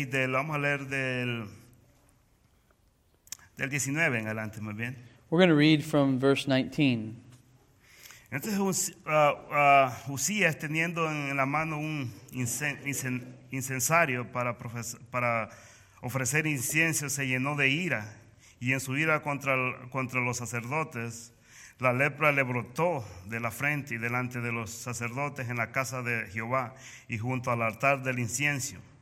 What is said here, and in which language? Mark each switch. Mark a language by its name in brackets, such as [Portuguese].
[Spanish] Vamos a leer del 19 en adelante, muy bien. [English] We're going to read from verse 19. [Spanish] Entonces, Usías teniendo en la mano un incensario para ofrecer incienso, se llenó de ira, y en su ira contra los sacerdotes, la lepra le brotó de la frente y delante de los sacerdotes en la casa de Jehová y junto al altar del incienso.